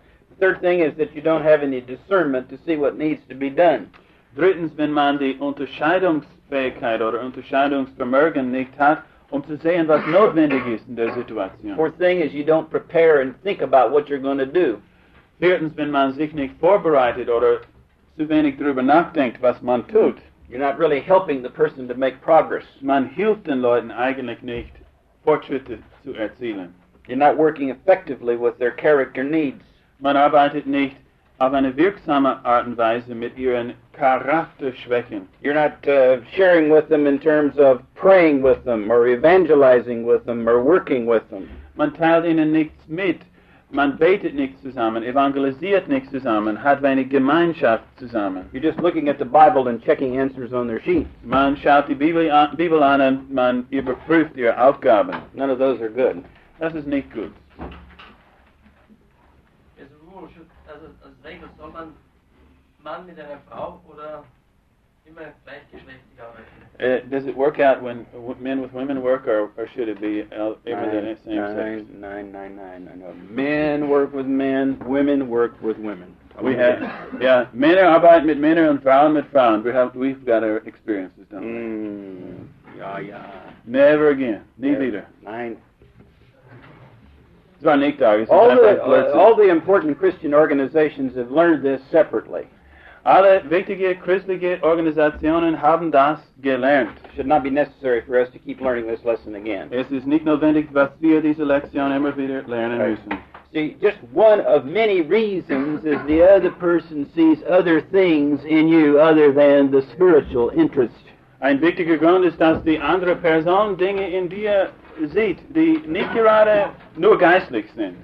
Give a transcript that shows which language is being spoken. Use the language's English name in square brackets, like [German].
[English] The third thing is that you don't have any discernment to see what needs to be done. [German] Drittens, wenn man die Unterscheidungsfähigkeit oder Unterscheidungsvermögen nicht hat, zu sehen, was notwendig ist in der Situation. [English] Fourth thing is you don't prepare and think about what you're going to do. [German] Viertens, wenn man sich nicht vorbereitet oder zu wenig darüber nachdenkt, was man tut. [English] You're not really helping the person to make progress. [German] Man hilft den Leuten eigentlich nicht, Fortschritte zu erzielen. [English] You're not working effectively with their character needs. [German] Man arbeitet nicht auf eine wirksame Art und Weise mit ihren Charakterschwächen. [English] You're not sharing with them in terms of praying with them or evangelizing with them or working with them. [German] Man teilt ihnen nichts mit. Man betet nicht zusammen, evangelisiert nicht zusammen, hat wenig Gemeinschaft zusammen. [English] You're just looking at the Bible and checking answers on their sheets. [German] Man schaut die Bibel an und man überprüft ihre Aufgaben. [English] None of those are good. [German] Das ist nicht gut. Also als Regel soll man mit einer Frau oder immer gleichgeschlechtlich arbeiten? [English] Does it work out when men with women work, or should it be even the same sex? 9, 9, 9, 9, 9, 9. Men work with men, women work with women. We have, yeah, [German] Männer arbeiten mit Männern und Frauen mit Frauen. [English] We've got our experiences, don't we? Mm. Yeah. Never again. [German] Nie wieder. Nein. Es war nicht da. [English] All the important Christian organizations have learned this separately. [German] Alle wichtigen christliche Organisationen haben das gelernt. [English] Should not be necessary for us to keep learning this lesson again. [German] Es ist nicht notwendig, dass wir diese Lektion immer wieder lernen müssen. [English] See, just one of many reasons is the other person sees other things in you other than the spiritual interest. [German] Ein wichtiger Grund ist, dass die andere Person Dinge in dir sieht, die nicht gerade nur geistlich sind.